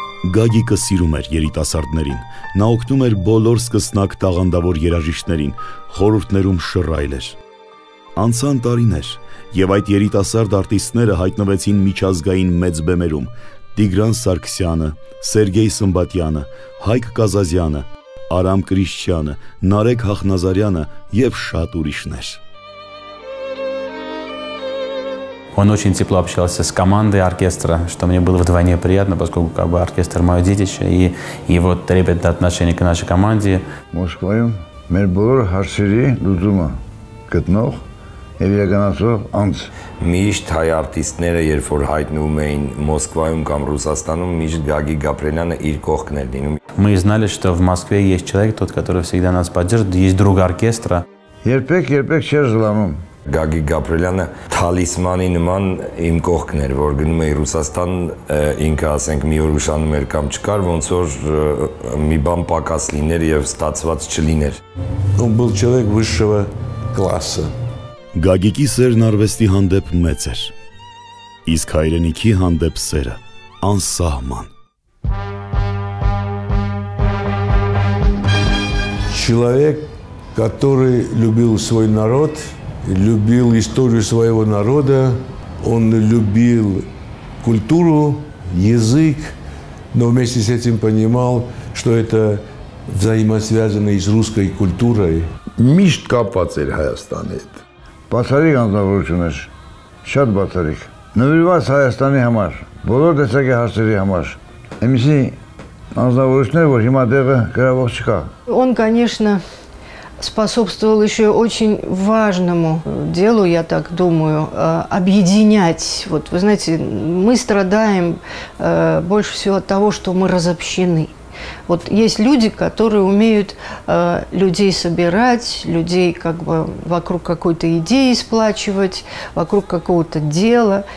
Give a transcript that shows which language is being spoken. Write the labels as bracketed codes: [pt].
[hy] Գագիկը սիրում էր երիտասարդներին, նա օգնում էր բոլոր սկսնակ տաղանդավոր երաժիշտներին, խորհուրդներում շռայլ էր։ Անցան տարիներ, եւ այդ երիտասարդ արտիստները հայտնվեցին միջազգային մեծ բեմերում. Տիգրան Սարգսյանը, Սերգեյ Սմբատյանը, Հայկ Կազազյանը, Արամ Քրիստյանը, Նարեկ Հախնազարյանը և շատ ուրիշներ։ [ru] Он очень тепло общался с командой оркестра, что мне было вдвойне приятно, поскольку как бы оркестр мое детище, и его трепетное отношение к нашей команде. [hy] Москвою, мер болор харшири дутума, кетнох, эвиаганасов анц. Միշտ հայ արտիստները, երբ որ հայտնվում էին Մոսկվայում կամ Ռուսաստանում, միշտ Գագիկ Գաբրելյանը իր կողքն էր լինում. [ru] Мы знали, что в Москве есть человек, тот, который всегда нас поддерживает, есть друг оркестра. [hy] Երբեք չէր զլանում. Գագիկ Գաբրելյանը թալիսմանի նման իմ կողքն էր, որ գնում էի Ռուսաստան, ինքը ասենք մի օր ուշանում էր կամ չկար, ոնց որ մի բան պակաս լիներ եւ ստացված չլիներ. [ru] Он был человек высшего класса. [hy] Գագիկի սերն արվեստի հանդեպ մեծ էր, իսկ հայրենիքի հանդեպ սերը անսահման. [ru] Человек, который любил свой народ, любил историю своего народа, он любил культуру, язык, но вместе с этим понимал, что это взаимосвязано с русской культурой. [hy] Միշտ կապված էր Հայաստանի հետ. Բացարիք անձնավորություն էր, շատ բացարիք. Նվիրված Հայաստանի համար, բոլոր տեսակի հարցերի համար. Այսինքն անձնավորություններ, որ հիմա դեղը գրավող չկա. [ru] Он, конечно, способствовал еще очень важному делу, я так думаю, объединять. Вот, вы знаете, мы страдаем больше всего от того, что мы разобщены. Вот есть люди, которые умеют людей собирать, людей как бы вокруг какой-то идеи сплачивать, вокруг какого-то дела.